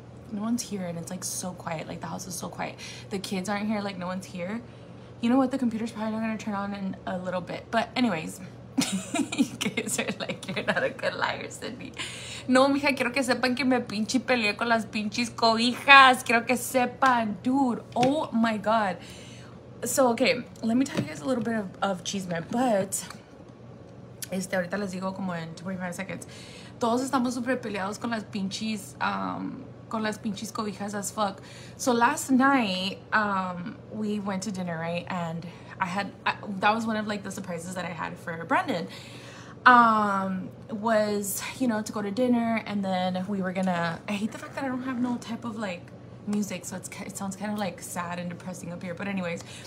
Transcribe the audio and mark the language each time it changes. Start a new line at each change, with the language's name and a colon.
English: No one's here, and it's like so quiet. Like, the house is so quiet. The kids aren't here, like, no one's here. You know what? The computer's probably not gonna turn on in a little bit. But anyways, you guys are like, you're not a good liar, Cindy.
Spanish: No, mija, quiero que sepan que me pinche peleé con las pinches cobijas. Quiero que sepan,
English: dude. Oh my god. So okay, let me tell you guys a little bit of chisme, but
Spanish: ahorita les digo como en
English: 25 seconds.
Spanish: Todos estamos super peleados con las pinches con las pinches cobijas
English: as fuck. So last night, we went to dinner, right? And that was one of like the surprises that I had for Brandon, was, you know, to go to dinner, and then we were gonna, I hate the fact that I don't have no type of like music, so it sounds kind of like sad and depressing up here, but anyways.